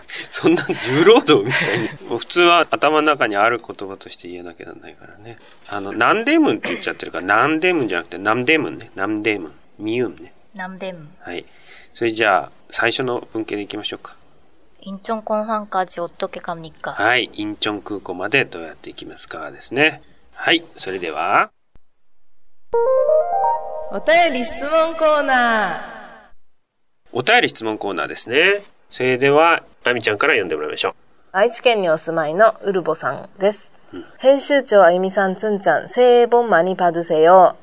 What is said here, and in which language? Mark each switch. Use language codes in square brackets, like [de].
[ja] そんな유로도みたいに普通は頭の中にある言葉として言えなきゃならないからね。あの、南대문って言っちゃってるから、南대문じゃなくて南대문ね。南대문。 미음ね。 [ko] 南대문。 [ja] はい。それじゃあ、最初の文型で行きましょうか。 [ko] 인천공항까지어떻게갑니까? [ja] はい。 인천空港までどうやって行きますかですね。はい、それではお便り質問コーナー。お便り質問コーナーですね。それではあみちゃんから読んでもらいましょう。愛知県にお住まいのウルボさんです、うん、編集長あゆみさん、つんちゃん、 [ko] 새해복많이받으세요。